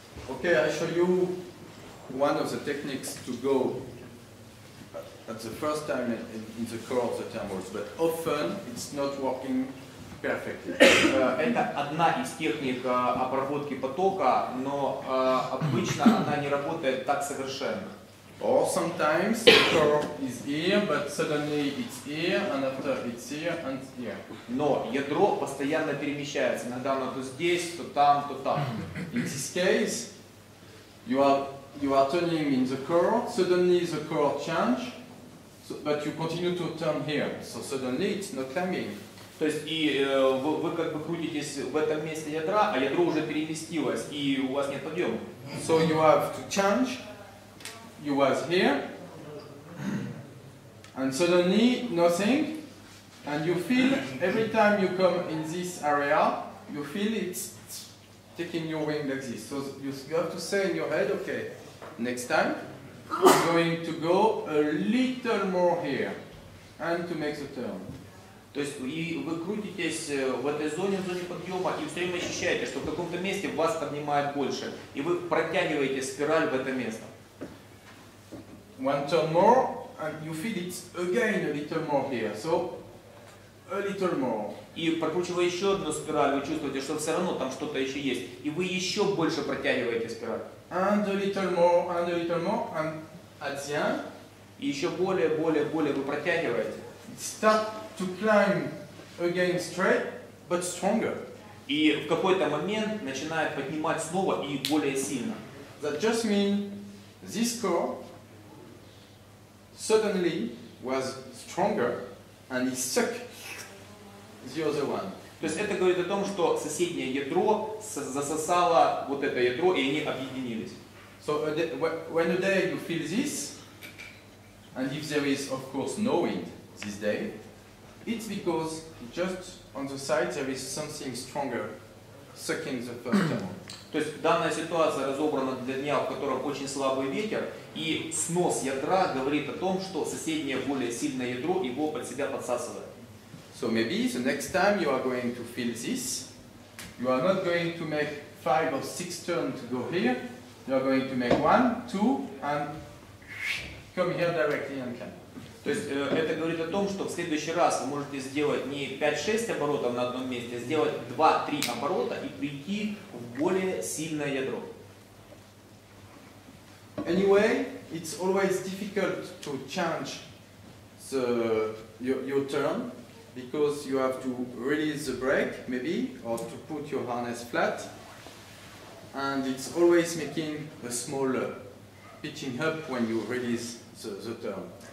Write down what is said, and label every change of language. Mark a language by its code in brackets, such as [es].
[en] Okay, I show you one of the techniques to go at the first time in the core of the thermals, but often it's not working. [ru] Это одна из техник обработки потока, но обычно она не работает так совершенно. [en] Or sometimes the core is here, but suddenly it's here, and after it's here, and here. [ru] Но ядро постоянно перемещается, иногда оно то здесь, то там, то там. [en] In this case, you are turning in the core, suddenly the core change, so, but you continue to turn here, so suddenly it's not climbing. [ru] То есть и вы как бы крутитесь в этом месте ядра, а ядро уже переместилось, и у вас нет подъема. [en] So you have to change. You was here. And suddenly nothing. And you feel every time you come in this area, you feel it's taking your wing like this. So you have to say in your head, okay, next time I'm going to go a little more here and to make the turn. [ru] То есть и вы крутитесь в этой зоне, в зоне подъема, и все время ощущаете, что в каком-то месте вас поднимает больше, и вы протягиваете спираль в это место. [en] One turn more, and you feel it again a little more here. So a little more. [ru] И прокручивая еще одну спираль, вы чувствуете, что все равно там что-то еще есть, и вы еще больше протягиваете спираль. [en] And a little more, and a little more, and at the end. [ru] И еще более, более, более вы протягиваете. [en] Start to climb again straight, but stronger. [ru] И в какой-то момент начинает поднимать снова и более сильно. [en] That just mean this core suddenly was stronger and it stuck the other one. [ru] То есть это говорит о том, что соседнее ядро засосало вот это ядро и они объединились. [en] So when a day you feel this, and if there is of course no wind this day, it's because just on the side there is something stronger sucking the first one. [ru] То есть данная ситуация разобрана для дня, в котором очень слабый ветер, и снос ядра говорит о том, что соседнее более сильное ядро его под себя подсасывает. [en] So maybe the next time you are going to feel this, you are not going to make five or six turns to go here, you are going to make one, two, and come here directly and come. [ru] То есть это говорит о том, что в следующий раз вы можете сделать не 5-6 оборотов на одном месте, а сделать 2-3 оборота и прийти в более сильное ядро. [en] Anyway, it's always difficult to change the, your turn, because you have to release the brake, maybe, or to put your harness flat, and it's always making a small pitching up when you release the turn.